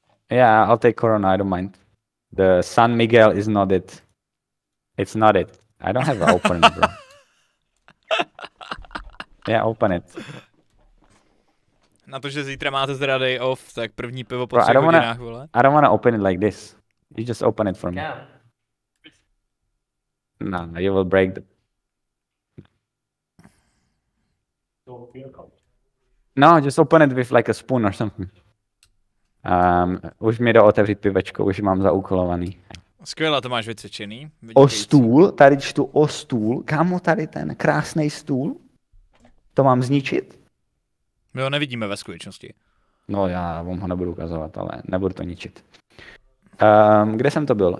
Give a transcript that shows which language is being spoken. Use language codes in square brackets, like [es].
[en] Yeah, I'll take Corona, I don't mind. The San Miguel is not it. It's not it. I don't have an opener, bro. Yeah, open it. [cs] Na to, že zítra máte teda day off, tak první pivo po 3 hodinách, vole. [en] I don't wanna open it like this. You just open it for me. No, you will break the... No, just open it with like a spoon or something. [cs] Už mi jde otevřít pivečko, už mám zaúkolovaný. Skvěle, to máš vycvičený. O stůl, tady čtu o stůl. Kámo, tady ten krásný stůl? To mám zničit? My ho nevidíme ve skutečnosti. No já vám ho nebudu ukazovat, ale nebudu to ničit. Kde jsem to byl?